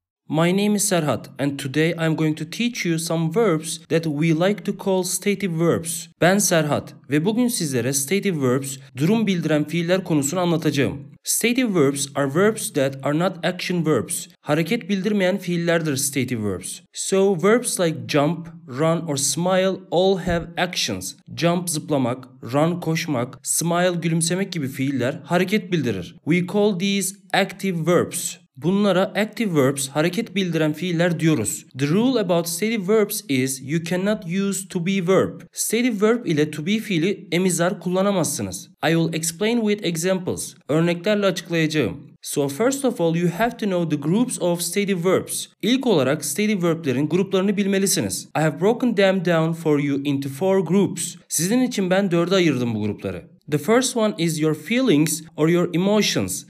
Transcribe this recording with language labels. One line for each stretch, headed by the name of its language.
English: My name is Serhat, and today I'm going to teach you some verbs that we like to call stative verbs.
Turkish: Ben Serhat ve bugün sizlere stative verbs, durum bildiren fiiller konusunu anlatacağım.
English: Stative verbs are verbs that are not action verbs.
Turkish: Hareket bildirmeyen fiillerdir
English: stative verbs. So verbs like jump, run or smile all have actions.
Turkish: Jump zıplamak, run koşmak, smile gülümsemek gibi fiiller hareket bildirir.
English: We call these active verbs.
Turkish: Bunlara active verbs, hareket bildiren fiiller diyoruz.
English: The rule about stative verbs is you cannot use to be verb.
Turkish: Stative verb ile to be fiili emizar kullanamazsınız.
English: I will explain with examples.
Turkish: Örneklerle açıklayacağım.
English: So first of all, you have to know the groups of stative verbs.
Turkish: İlk olarak stative verblerin gruplarını bilmelisiniz.
English: I have broken them down for you into four groups.
Turkish: Sizin için ben dörde ayırdım bu grupları.
English: The first one is your feelings or your emotions.